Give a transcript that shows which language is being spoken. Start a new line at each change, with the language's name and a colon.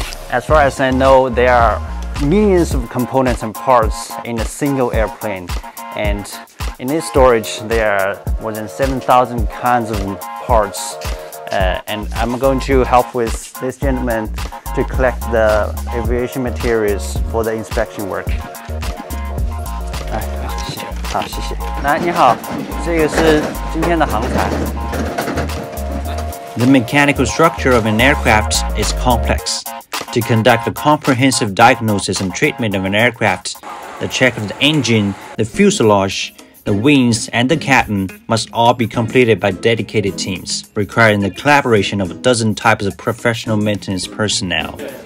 English: As far as I know, there are millions of components and parts in a single airplane. And in this storage, there are more than 7,000 kinds of parts. And I'm going to help with this gentleman to collect the aviation materials for the inspection work.
Chinese: 好，谢谢。来，你好，这个是今天的航材。
English: The mechanical structure of an aircraft is complex. To conduct a comprehensive diagnosis and treatment of an aircraft, the check of the engine, the fuselage, the wings, and the cabin must all be completed by dedicated teams, requiring the collaboration of a dozen types of professional maintenance personnel.